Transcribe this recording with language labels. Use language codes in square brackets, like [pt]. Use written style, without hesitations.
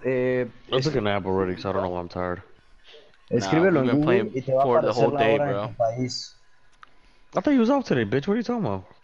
[en] Let's take a nap already, because I don't know why I'm tired. [es] Escríbelo en Google y te va a aparecer la hora day, en tu país. [en] I thought you was off today, bitch. What are you talking about?